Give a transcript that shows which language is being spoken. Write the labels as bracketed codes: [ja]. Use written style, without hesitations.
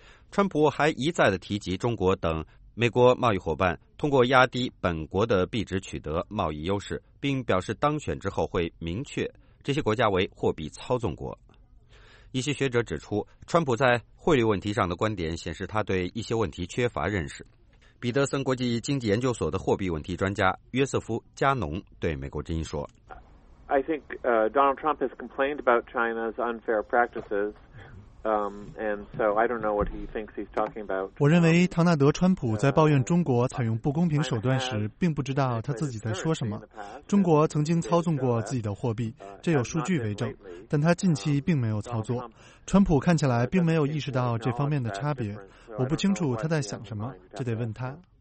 [zh] 川普还一再地提及中国等美国贸易伙伴通过压低本国的币值取得贸易优势，并表示当选之后会明确这些国家为货币操纵国。一些学者指出，川普在汇率问题上的观点显示他对一些问题缺乏认识。彼得森国际经济研究所的货币问题专家约瑟夫·加农对美国之音说， [en] Donald Trump has complained about China's unfair practices, and so I don't know what he thinks he's talking about. [zh] 我认为唐纳德·川普在抱怨中国采用不公平手段时，并不知道他自己在说什么。中国曾经操纵过自己的货币，这有数据为证，但他近期并没有操作。川普看起来并没有意识到这方面的差别，我不清楚他在想什么，这得问他。